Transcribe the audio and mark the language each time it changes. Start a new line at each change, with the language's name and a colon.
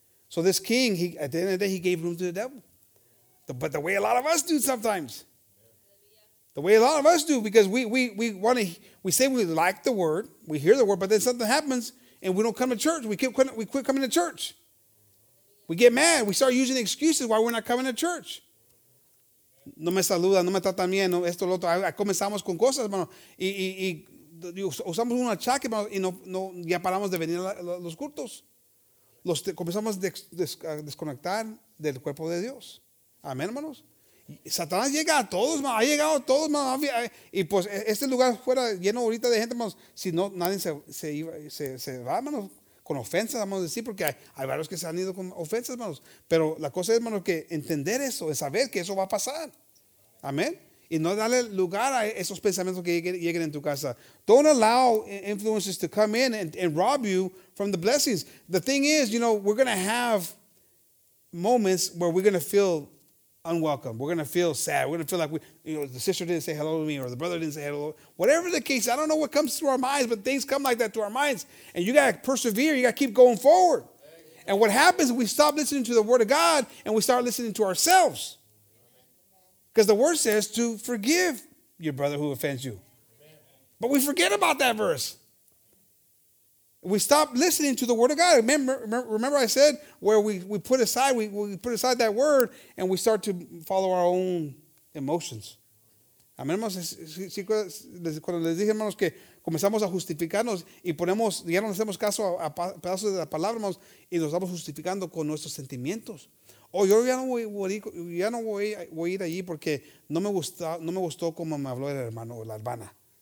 English: So this king, at the end of the day, he gave room to the devil. But the way a lot of us do sometimes. The way a lot of us do, because we want to, we say we like the word, we hear the word, but then something happens and we don't come to church. We quit coming to church. We get mad. We start using excuses why we're not coming to church.
Spanish: No me saluda, no me trata bien, no esto, lo otro. Comenzamos con cosas, hermano. Y usamos un achaque, hermano, y no ya paramos de venir a los cultos. Comenzamos a desconectar del cuerpo de Dios. Amén, hermanos. Satanás llega a todos, hermano. Ha llegado a todos, hermano. Y pues este lugar fuera lleno ahorita de gente, hermano. Si no, nadie se va, hermano. Con ofensas, vamos a decir, porque hay varios que se han ido con ofensas, hermanos. Pero la cosa es, hermanos, que entender eso, es saber que eso va a pasar. Amén. Y no darle lugar a esos pensamientos que lleguen en tu casa.
English: Don't allow influences to come in and rob you from the blessings. The thing is, you know, we're going to have moments where we're going to feel unwelcome. We're going to feel sad. We're going to feel like the sister didn't say hello to me, or the brother didn't say hello. Whatever the case, I don't know what comes through our minds, but things come like that through our minds. And you got to persevere. You got to keep going forward. And what happens, we stop listening to the word of God and we start listening to ourselves. Because the word says to forgive your brother who offends you. But we forget about that verse. We stop listening to the word of God. Remember I said where we put aside that word and we start to follow our own emotions.
Spanish: Amén, hermanos. Sí, cuando les dije, hermanos, que comenzamos a justificarnos y ponemos, ya no hacemos caso a pedazos de la palabra, hermanos, y nos estamos justificando con nuestros sentimientos. Oh, yo ya no voy a ir allí porque no me gustó como me habló el hermano o la hermana.